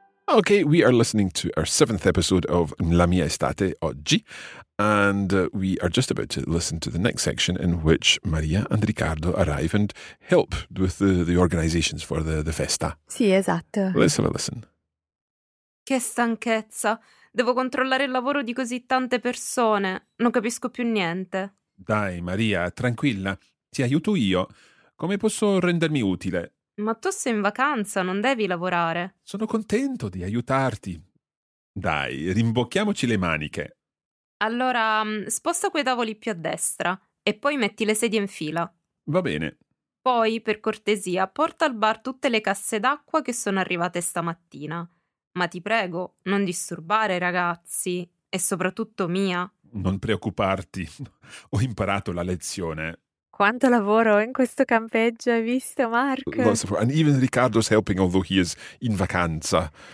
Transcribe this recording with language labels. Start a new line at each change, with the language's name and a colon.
English: Okay, we are listening to our seventh episode of La Mia Estate oggi, and we are just about to listen to the next section in which Maria and Riccardo arrive and help with the organizations for the festa.
Italian: Sì, esatto.
English: Let's have a listen.
Italian: Che stanchezza! Devo controllare il lavoro di così tante persone. Non capisco più niente. Dai, Maria, tranquilla. Ti aiuto io. Come posso rendermi utile? Ma tu sei in vacanza, non devi lavorare. Sono contento di aiutarti. Dai, rimbocchiamoci le maniche. Allora, sposta quei tavoli più a destra e poi metti le sedie in fila. Va bene. Poi, per cortesia, porta al bar tutte le casse d'acqua che sono arrivate stamattina. Ma ti prego, non disturbare i ragazzi e soprattutto Mia. Non preoccuparti, ho imparato la lezione. Quanto lavoro in questo campeggio, hai visto, Mark?
English: Lots of work. And even Riccardo's helping, although he is
Italian: in vacanza.